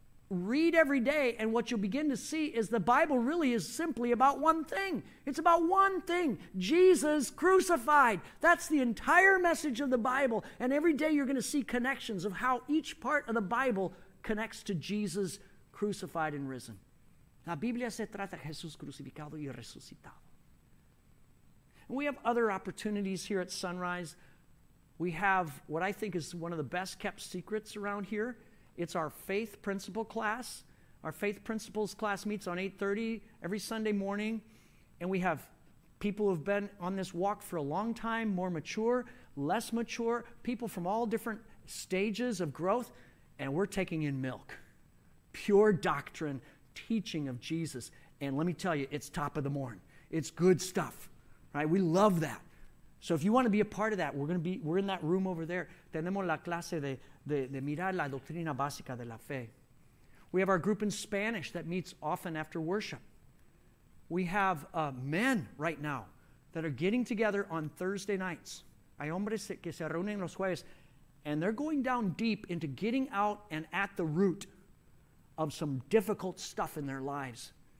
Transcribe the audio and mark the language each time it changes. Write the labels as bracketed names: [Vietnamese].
[English] read every day, and what you'll begin to see is the Bible really is simply about one thing. It's about one thing: Jesus crucified. That's the entire message of the Bible. And every day you're going to see connections of how each part of the Bible connects to Jesus crucified and risen. [Spanish] La Biblia se trata de Jesús crucificado y resucitado. [English] And we have other opportunities here at Sunrise. We have what I think is one of the best kept secrets around here. It's our faith principle class. Our faith principles class meets on 8:30 every Sunday morning. And we have people who have been on this walk for a long time, more mature, less mature, people from all different stages of growth. And we're taking in milk, pure doctrine, teaching of Jesus. And let me tell you, it's top of the morn. It's good stuff, right? We love that. So if you want to be a part of that, we're in that room over there. [Spanish] Tenemos la clase de mirar la doctrina básica de la fe. [English] We have our group in Spanish that meets often after worship. We have men right now that are getting together on Thursday nights. [Spanish] Hay hombres que se reúnen los jueves. [English] And they're going down deep into getting out and at the root of some difficult stuff in their lives.